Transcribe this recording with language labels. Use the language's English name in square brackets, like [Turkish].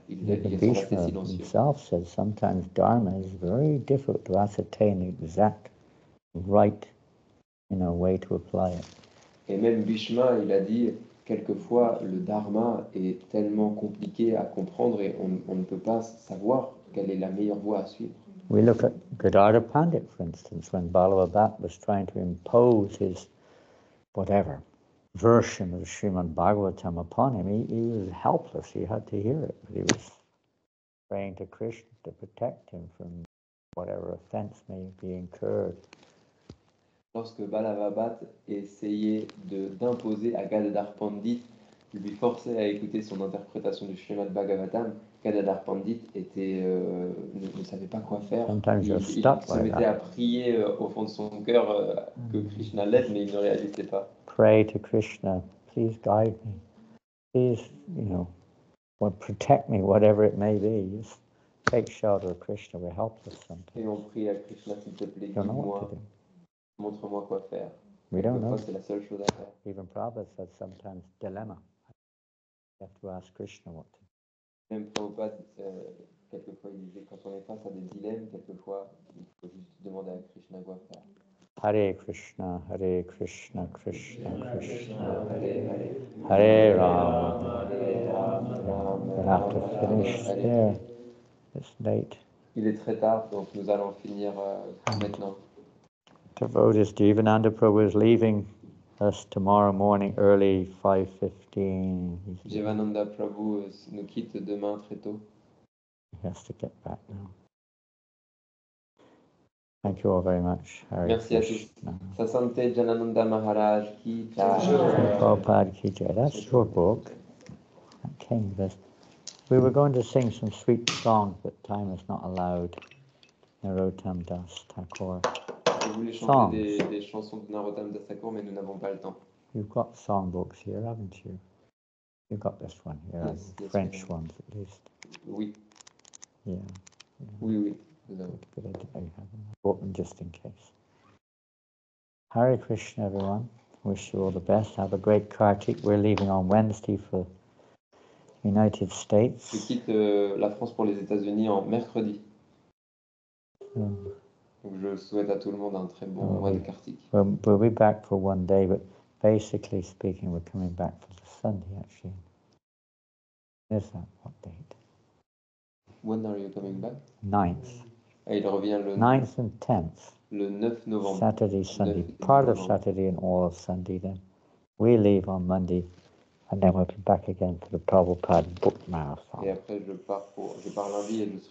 [French] Ils sont restés silencieux. [English] Bhishma himself says sometimes dharma is very difficult to ascertain the exact right, you know, way to apply it. [French] Et même Bhishma, il a dit quelquefois le dharma est tellement compliqué à comprendre et on ne peut pas savoir quelle est la meilleure voie à suivre. [English] We look at Godarda Pandit, for instance, when Balabhadatta was trying to impose his whatever version of the Srimad Bhagavatam upon him. He was helpless. He had to hear it. But he was praying to Krishna to protect him from whatever offense may be incurred. [French] Lorsque Balabhadatta essayait d'imposer à Gadadhar Pandit, de lui forcer à écouter son interprétation du Srimad Bhagavatam, Gadadhar Pandit ne savait pas quoi faire. Il se mettait à prier au fond de son cœur que Krishna l'aide, mais il ne réalisait pas. [English] Pray to Krishna, please guide me. Please, protect me, whatever it may be. Just take shelter of Krishna, we're helpless sometimes. [French] Et on prie à Krishna, s'il te plaît, dis-moi, montre-moi quoi faire. [English] We don't know. [French] C'est la seule chose à faire. [English] Even Prabhupada said sometimes dilemma. You have to ask Krishna what to do. [French] Même Prabhupada, quelquefois, il disait, quand on est face à des dilemmes, quelquefois, il faut juste demander à Krishna quoi faire. [Sanskrit] Hare Krishna, Hare Krishna, Krishna Krishna, Hare Hare, Hare Rama. [English] We'll have to finish there. It's late. [French] Il est très tard, donc nous allons finir maintenant. [English] Devotees, Jivananda Prabhu is leaving us tomorrow morning early, 5:15. [French] Jivananda Prabhu nous quitte demain très tôt. [English] He has to get back now. Thank you all very much. Hare [French] Merci [English] Krishna. [French] À tous. Sa santé, Janananda Maharaj ki [English] jai. Prabhupada ki jai. That's your book. That came with. We were going to sing some sweet songs, but time has not allowed. Narottam Das Thakur. [French] Je voulais chanter des chansons de Narottam Das Thakur, mais nous n'avons pas le temps. [English] You've got song books here, haven't you? You've got this one here, yes, French ones at least. [French] Oui. [English] Yeah. [French] Oui, oui. [English] But I have them open just in case. Hare Krishna, everyone. Wish you all the best. Have a great Kartik. We're leaving on Wednesday for United States. [French] Je quitte la France pour les États-Unis en mercredi. Donc je souhaite à tout le monde un très bon mois de Kartik. [English] We'll be back for one day, but basically speaking, we're coming back for the Sunday, actually. Is that what date? When are you coming back? 9th. [French] Et il revient le [English] 9th and 10th. [French] Le 9 novembre. [English] Saturday, Sunday. Part of Saturday and all of Sunday then. We leave on Monday and then we'll be back again for the Prabhupada Book Marathon. [French] Et après je pars lundi et je serai